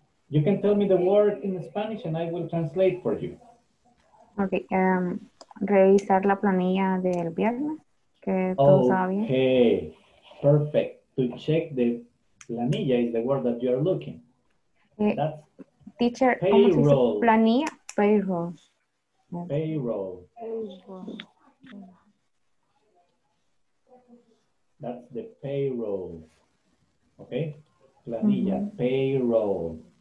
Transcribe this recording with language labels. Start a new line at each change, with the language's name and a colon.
English: You can tell me the word in Spanish and I will translate for you.
Spanish: Okay, revisar la planilla del viernes, que todo estaba bien.
English: Okay, perfect. To check the planilla is the word that you are looking. Teacher, payroll.
Spanish: ¿Cómo se dice planilla?
English: Payroll. Yes. Payroll. That's the payroll. Okay, planilla, payroll.